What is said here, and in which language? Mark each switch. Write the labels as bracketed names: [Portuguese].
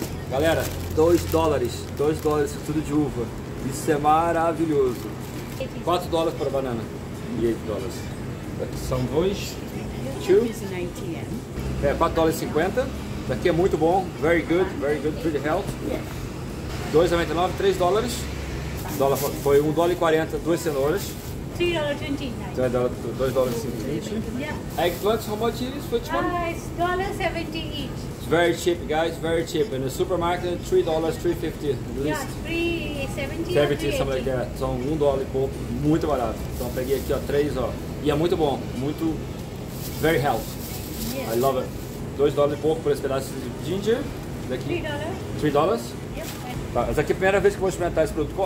[Portuguese] Galera, 2 dólares. 2 dólares tudo de uva. Isso é maravilhoso. 4 dólares para a banana. E 8 dólares. São 2. 2. É, 4 dólares e 50. Isso aqui é muito bom. [English] Very good, very good. Good health. [Portuguese] 2,99, 3 dólares. Dólar foi 1 dólar e 40, 2 cenouras. 3 dólares e 29. 2 dólares e 50. [English] Eggplants, how much is it? Which one? $1.70 each. Very cheap, guys, very cheap. In the supermarket, $3, $3.50 at least. Yeah, $3.70 like that. [Portuguese] São 1 dólar e pouco, muito barato. Então peguei aqui, ó, 3, ó. E é muito bom, muito... [English] Very healthy. Yes. I love it. [Portuguese] 2 dólares e pouco por esse pedaço de ginger. [English] $3. $3? Yep. [Portuguese] Tá, essa aqui é a primeira vez que vou experimentar esse produto.